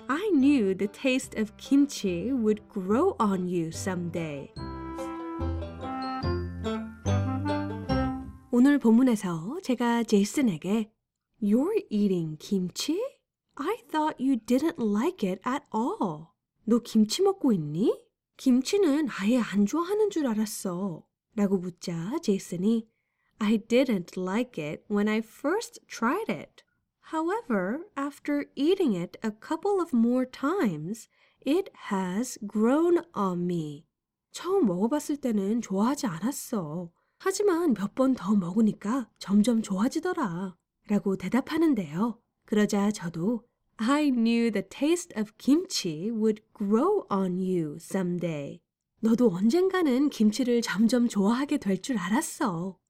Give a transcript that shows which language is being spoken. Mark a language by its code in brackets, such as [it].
[en] I knew the taste of kimchi would grow on you someday. [ko] 오늘 본문에서 제가 제이슨에게 [en] You're eating kimchi? I thought you didn't like it at all. [ko] 너 김치 먹고 있니? 김치는 아예 안 좋아하는 줄 알았어. 라고 묻자 제이슨이 [en] I didn't like it when I first tried it. However, after eating it a couple of more times, it has grown on me. [ko] 처음 먹어봤을 때는 좋아하지 않았어. 하지만 몇 번 더 먹으니까 점점 좋아지더라. 라고 대답하는데요. 그러자 저도 [en] I knew the taste of kimchi would grow on you someday. [ko] 너도 언젠가는 김치를 점점 좋아하게 될 줄 알았어.